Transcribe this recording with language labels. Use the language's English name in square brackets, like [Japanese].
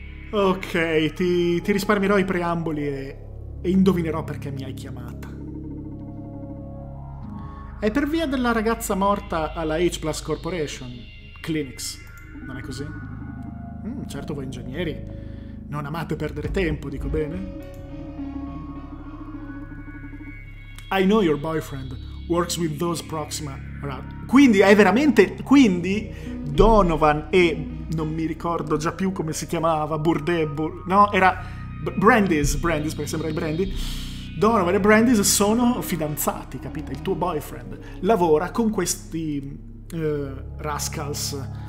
[Italian] Ok, ti risparmierò i preamboli e indovinerò perché mi hai chiamata. È per via della ragazza morta alla H Plus Corporation, Clinics, non è così? Certo, voi ingegneri non amate perdere tempo, dico bene? [English] I know your boyfriend works with those Proxima. [Italian] Quindi è veramente... Quindi Donovan e... non mi ricordo già più come si chiamava, no? Era Brandis, perché sembra il Brandy. Donovan e Brandis sono fidanzati, capite? Il tuo boyfriend lavora con questi rascals.